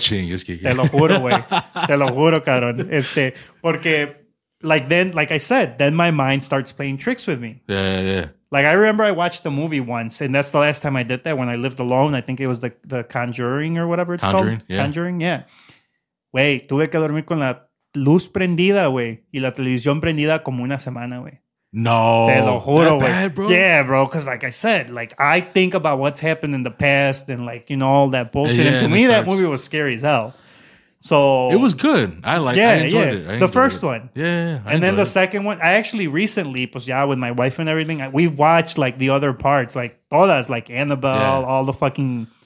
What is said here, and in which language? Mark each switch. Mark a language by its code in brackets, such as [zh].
[es] chingues, Kike. Te lo juro, güey. Te lo juro, cabrón. [en] Porque like then, like I said, then my mind starts playing tricks with me. Yeah. Like I remember I watched the movie once and that's the last time I did that when I lived alone. I think it was the Conjuring or whatever it's Conjuring, called. Yeah. Conjuring, yeah. [es] Wey, tuve que dormir con la luz prendida, güey, y la televisión prendida como una semana, güey. No. Te lo juro, [en] güey. That bad, bro? Yeah, bro, because like I said, like, I think about what's happened in the past and, like, you know, all that bullshit. Yeah, and to me, that movie was scary as hell. So. It was good. I enjoyed it. The first one. Yeah, and then the second one. I actually recently, [es] pues ya, [en] with my wife and everything, we watched, like, the other parts, like, todas, like, Annabelle, all the fucking.